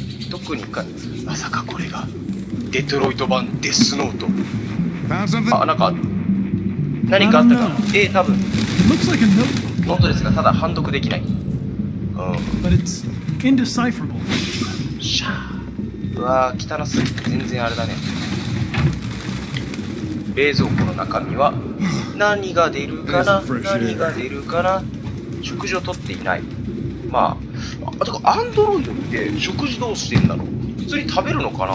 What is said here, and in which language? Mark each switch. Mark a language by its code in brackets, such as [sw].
[ja] 特にか、まさかこれがデトロイト版デスノート。あ、なんか何かあったか。多分ノートですが、ただ判読できない。 [en] But it's indecipherable. [ja] シャー。うわー、汚すぎて全然あれだね。冷蔵庫の中身は何が出るかな、何が出るかな。食事をとっていない。まあ、あ、だからアンドロイドって食事どうしてんだろう。普通に食べるのかな。